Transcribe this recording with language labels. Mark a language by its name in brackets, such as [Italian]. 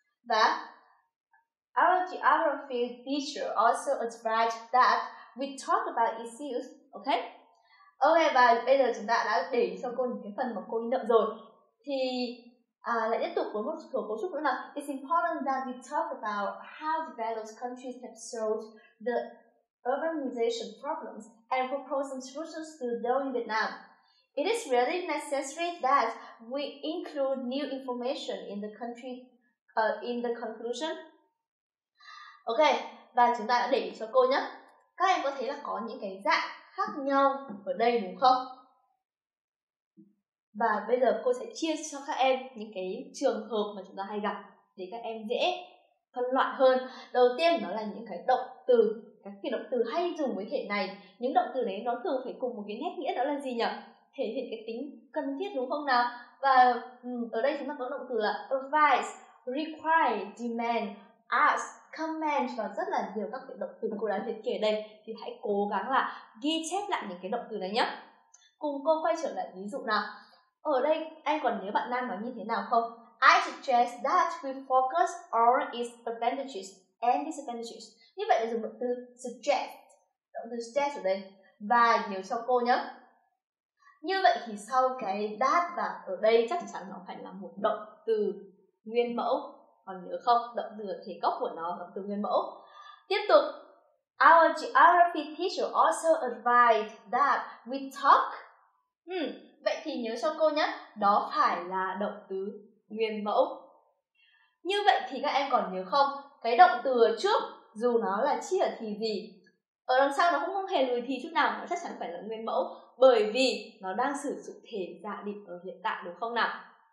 [English] But our geography teacher also advised that we talk about issues. Okay? [Vietnamese] Okay, và bây giờ chúng ta đã để cho cô những cái phần mà cô in đậm rồi. Thì lại tiếp tục với một số cấu trúc nữa là [English] it's important that we talk about how developed countries have solved the urbanization problems and propose some solutions to those in Vietnam. It is really necessary that we include new information in the country in the conclusion. [Vietnamese] Ok, và chúng ta đã để cho cô nhé. Các em có thấy là có những cái dạng khác nhau ở đây đúng không? Và bây giờ cô sẽ chia cho các em những cái trường hợp mà chúng ta hay gặp để các em dễ phân loại hơn. Đầu tiên đó là những cái động từ, các cái động từ hay dùng với thể này. Những động từ đấy nó thường phải cùng một cái nét nghĩa, đó là gì nhỉ? Thể hiện cái tính cần thiết đúng không nào? Và ở đây chúng ta có động từ là advise, require, demand, ask, comment và rất là nhiều các cái động từ cô đã liệt kể đây. Thì hãy cố gắng là ghi chép lại những cái động từ này nhé. Cùng cô quay trở lại ví dụ nào. Ở đây anh còn nhớ bạn Nam nói như thế nào không? [English] I suggest that we focus on its advantages and disadvantages. [Vietnamese] Như vậy là dùng động từ suggest, động từ suggest ở đây. Và nhớ cho cô nhé. Như vậy thì sau cái that và ở đây chắc chắn nó phải là một động từ nguyên mẫu. Còn nhớ không, động từ ở thể gốc của nó, động từ nguyên mẫu. Tiếp tục, [English] our geography teacher also advised that we talk. [Vietnamese] Vậy thì nhớ cho cô nhé, đó phải là động từ nguyên mẫu. Như vậy thì các em còn nhớ không, cái động từ ở trước dù nó là chia thì gì, ở đằng sau nó cũng không hề lùi thì chút nào, nó chắc chắn phải là nguyên mẫu bởi vì nó đang sử dụng thể giả định ở hiện tại đúng không nào.